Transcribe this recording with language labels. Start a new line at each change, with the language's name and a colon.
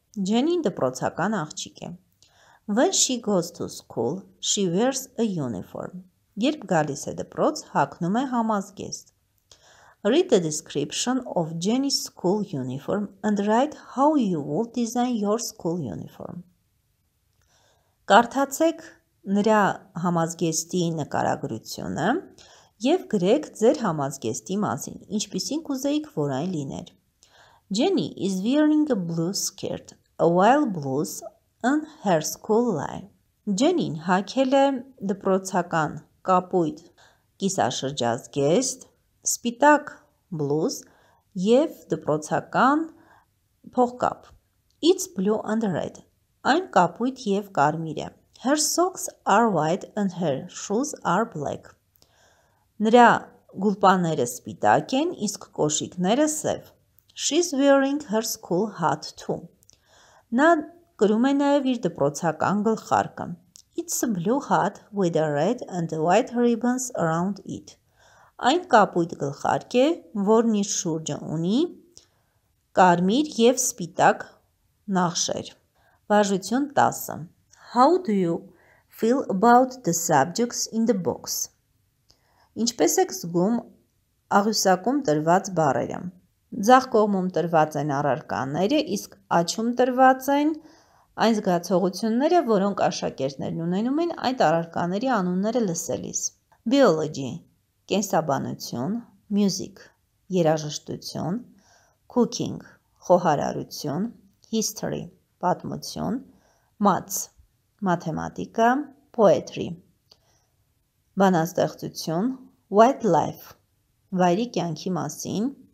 Armenian: Jenny-ն դպրոցական աղջիկ է.
English: When she goes to school, she wears a uniform.
Armenian: Երբ գալիս է դպրոց, հագնում է համազգեստ.
English: Read the description of Jenny's school uniform and write how you would design your school uniform.
Armenian: Կարդացեք նրա համազգեստի նկարագրությունը և գրեք ձեր համազգեստի մասին, ինչպիսին կուզեիք, որ այն լիներ.
English: Jenny is wearing a blue skirt, a wild blues and her school lie.
Armenian: Jenny-ն հագել է դպրոցական կապույտ կիսաշրջազգեստ, սպիտակ blues և դպրոցական փողկապ.
English: It's blue and red.
Armenian: Այն կապույտ և կարմիր է.
English: Her socks are white and her shoes are black.
Armenian: Նրա գուլպաները սպիտակ են, իսկ կոշիկները սև.
English: She's wearing her school hat too.
Armenian: Նա կրում է նաև իր դպրոցական գլխարկը.
English: It's a blue hat with a red and white ribbons around it.
Armenian: Այն կապույտ գլխարկ է, որն իր շուրջը ունի կարմիր և սպիտակ նախշեր. Վարժություն 10.
English: How do you feel about the subjects in the box?
Armenian: Ինչպես եք զգում աղյուսակում տրված բառերը? Ձախ կողմում տրված են առարկաները, իսկ աջում տրված են այն զգացողությունները, որոնք աշակերտներն ունենում են այդ առարկաների անունները լսելիս. Biology – կենսաբանություն, music – երաժշտություն, cooking – խոհարարություն, history – պատմություն, maths – մաթեմատիկա, poetry – բանաստեղծություն, wildlife – վայրի կյանքի մասին,